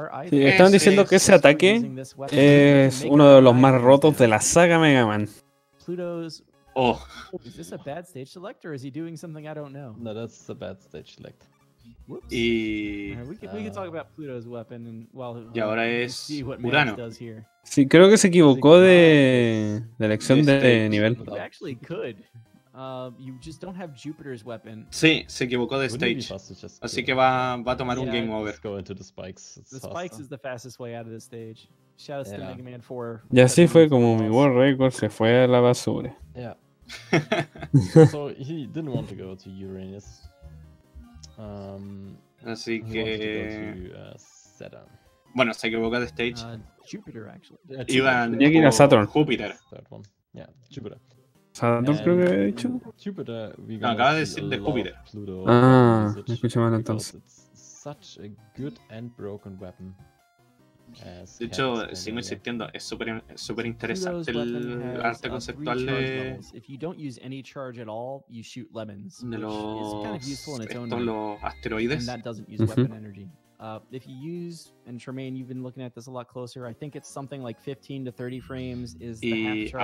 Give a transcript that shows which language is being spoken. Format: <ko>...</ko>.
<es>Sí, están diciendo que ese ataque es uno de los más rotos de la saga Mega Man. Oh.</es> <en>Is this a bad stage select or is he doing something I don't know? No, that's a bad stage select.</en> <es>Y</es> <en>we can talk about Pluto's weapon and</en> <es>y ahora es Urano. Sí, creo que se equivocó de elección de nivel.</es> <en>Actually could. You just don't have Jupiter's weapon.</en> <es>Sí, se equivocó de stage. Así que va a tomar un game over.</es> <en>Go into the spikes. The spikes is the fastest way out of the stage. Shout out to Mega Man 4.</en> <es>Y así fue como mi world record se fue a la basura.</es> <en>Yeah. So he didn't want to go to Uranus.</en> <es>Así que</es> <en>Saturn.</en> <es>Bueno, se equivocó de stage.</es> <en>Jupiter actually.</en> <es>Iban a Saturn.</es> <en>Jupiter. Yeah, Jupiter.</en> <es>¿Saturn creo que había dicho?</es> <en>Jupiter,</en> <es>no, acaba de decir de Júpiter. Ah, me escuché mal entonces.</es> <en>Such a good and broken weapon.</en> <es>De hecho, sigo insistiendo, es súper interesante el arte conceptual de</es> <en>if you don't use any charge at all, you shoot lemons,</en> <es>de los asteroides.</es> <en>And that doesn't use weapon energy. If you use, and Tremaine, you've been looking at this a lot closer, I think it's something like 15 to 30 frames is the half charge.</en>